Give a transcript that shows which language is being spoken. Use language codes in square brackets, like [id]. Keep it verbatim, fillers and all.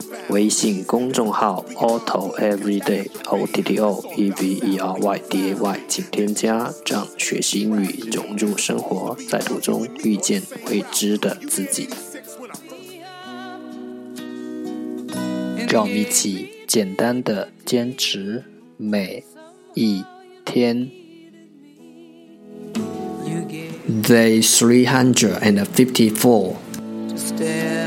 [zh] 微信公众号 Otto Everyday O T T O E V E R Y D A Y， 请添加，让学习英语融入生活，在途中遇见未知的自己。让我们一起简单的坚持每一天。 [en] Day three hundred and fifty-four.